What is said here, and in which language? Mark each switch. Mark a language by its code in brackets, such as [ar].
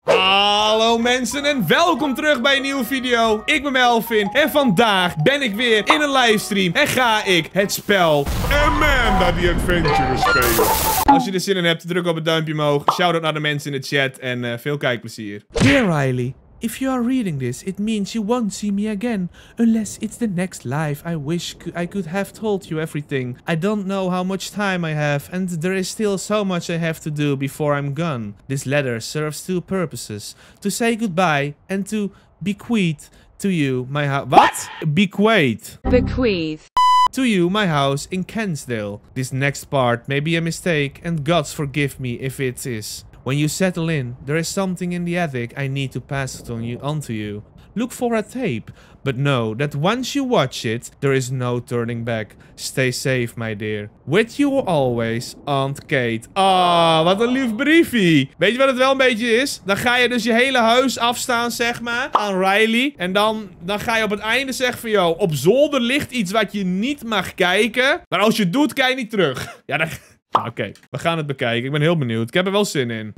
[nl] Hallo mensen en welkom terug bij een nieuwe video. Ik ben Melvin en vandaag ben ik weer in een livestream en ga ik het spel Amanda the Adventurer spelen. Als je er zin in hebt, druk op het duimpje omhoog. Shoutout naar de mensen in de chat en veel kijkplezier. [en] Dear Riley, if you are reading this, it means you won't see me again. Unless it's the next life. I wish I could have told you everything. I don't know how much time I have, and there is still so much I have to do before I'm gone. This letter serves two purposes. To say goodbye, and to bequeath to you my house. What? Bequeath. Bequeath. To you my house in Kensdale. This next part may be a mistake, and gods forgive me if it is. When you settle in, there is something in the attic I need to pass it on to you. Look for a tape, but know that once you watch it, there is no turning back. Stay safe, my dear. With you always, Aunt Kate. [nl] Ah, oh, wat een lief briefie. Weet je wat het wel een beetje is? Dan ga je dus je hele huis afstaan, zeg maar, aan Riley. En dan ga je op het einde zeggen van, joh, op zolder ligt iets wat je niet mag kijken. Maar als je het doet, kan je niet terug. Ja, dan... Oké, we gaan het bekijken. Ik ben heel benieuwd. Ik heb er wel zin in.